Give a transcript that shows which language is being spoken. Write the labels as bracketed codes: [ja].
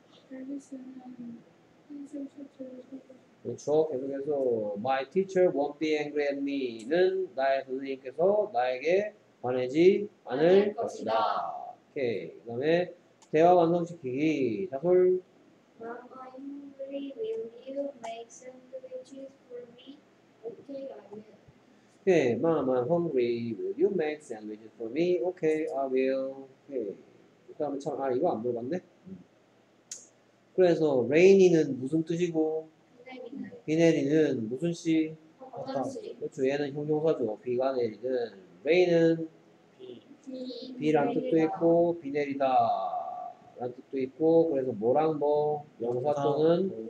[ko] Alice는 흰색 셔츠를 입고 싶어요. 그렇죠. 계속해서 [en] My teacher won't be angry at me [ko] 는 나의 선생님께서 나에게 화내지 않을 것이다. 오케이. 그 다음에 대화 완성시키기. 자솔. [en] Mama Henry, will you make sandwiches for me? Okay, I will. [ko] 오케이. [en] Mama Henry, will you make sandwiches for me? Okay, I will. [ko] 오케이. 그 다음에 참, 아, 이거 안 물어봤네. 그래서 rainy는 무슨 뜻이고? 비 내리는 무슨 시? 어떤 시? 그렇죠. 얘는 형용사죠. 비가 내리는. rain은 비란 뜻도 있고 비 내리다란 뜻도 있고 그래서 뭐랑 뭐 명사 또는